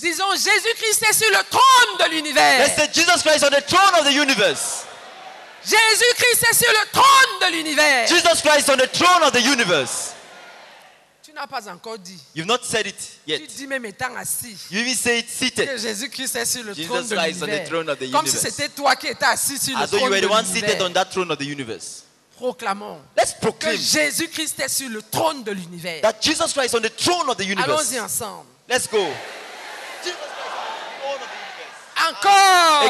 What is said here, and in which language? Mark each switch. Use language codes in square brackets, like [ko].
[fr] Disons Jésus-Christ est sur le trône de l'univers. [en] Let's say Jesus Christ on the throne of the universe. [fr] Jésus-Christ est sur le trône de l'univers. [en] Jesus Christ on the throne of the universe. [fr] Tu n'as pas encore dit. [en] You've not said it yet. [fr] Tu dis même étant assis. [en] You even say it seated. [fr] Que Jésus-Christ est sur le [en] Jesus [fr] trône de l'univers. [en] Jesus Christ on the throne of the [fr] comme [en] universe. [fr] Comme si c'était toi qui étais assis sur [en] as [fr] le trône de l'univers. [en] As though you were the one seated on that throne of the universe. [fr] Proclamons. [en] Let's proclaim. [fr] Que Jésus-Christ est sur le trône de l'univers. [en] That Jesus Christ on the throne of the universe. [fr] Allons-y ensemble. [en] Let's go. Jesus Christ on the throne of the universe.